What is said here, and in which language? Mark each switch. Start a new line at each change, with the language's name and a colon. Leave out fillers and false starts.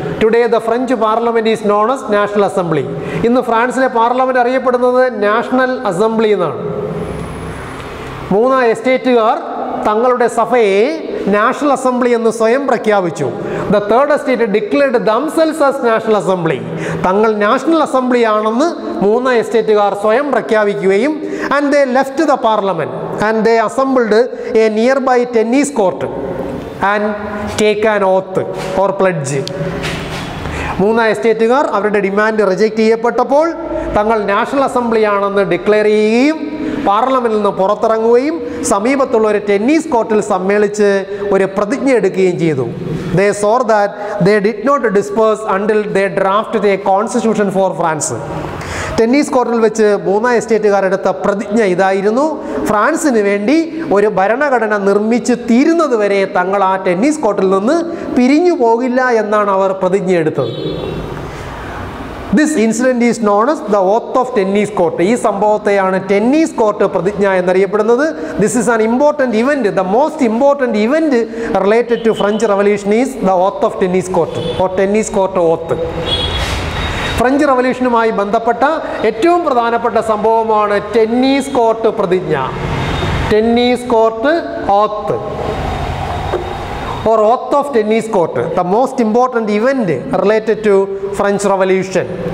English: Today the French parliament is known as national assembly.
Malayalam: ഇന്ന് ഫ്രാൻസിലെ parliament അറിയപ്പെടുന്നത് national assembly എന്നാണ്. മൂന്നാം എസ്റ്റേറ്റുകാർ തങ്ങളുടെ സഭയെ നാഷണൽ അസംബ്ലി എന്ന് സ്വയം പ്രഖ്യാപിച്ചു.
English: The third estate declared themselves as national assembly.
Malayalam: Thangal national assembly ആണെന്ന് മൂന്നാം എസ്റ്റേറ്റുകാർ സ്വയം പ്രഖ്യാപിക്കുകയും
English: and they left the parliament and they assembled a nearby tennis court and take an oath or pledge.
Malayalam: മൂന്ന് എസ്റ്റേറ്റുകാർ അവരുടെ demand reject ചെയ്യപ്പെട്ടപ്പോൾ തങ്ങൾ national അസംബ്ലിയാണെന്ന് declare ചെയ്യുകയും പാർലമെന്റിൽ നിന്ന് പുറത്തിറങ്ങുകയും സമീപത്തുള്ള ഒരു ടെന്നീസ് കോർട്ടിൽ സമ്മേളിച്ച് ഒരു പ്രതിജ്ഞ എടുക്കുകയും ചെയ്തു.
English: They saw that they did not disperse until they drafted a constitution for France.
Malayalam: Tennis കോർട്ടിൽ വെച്ച് മൂന്ന് എസ്റ്റേറ്റുകാർ എടുത്ത പ്രതിജ്ഞ ഇതായിരുന്നു, ഫ്രാൻസിന് വേണ്ടി ഒരു ഭരണഘടന നിർമ്മിച്ച് തീരുന്നതുവരെ തങ്ങൾ ആ ടെന്നീസ് കോർട്ടിൽ നിന്ന് പിരിഞ്ഞു പോകില്ല എന്നാണ് അവർ പ്രതിജ്ഞ എടുത്തത്.
English: This incident is known as the oath of tennis court.
Malayalam: ഈ സംഭവത്തെയാണ് ടെന്നീസ് കോർട്ട് പ്രതിജ്ഞ എന്നറിയപ്പെടുന്നത്.
English: This is an important event. The most important event related to French Revolution is the oath of tennis court or tennis court oath.
Malayalam: French റവല്യൂഷനുമായി ബന്ധപ്പെട്ട ഏറ്റവും പ്രധാനപ്പെട്ട സംഭവമാണ്
English: Tennis court പ്രതിജ്ഞ, tennis court oath or oath of tennis court, the most important event related to French revolution.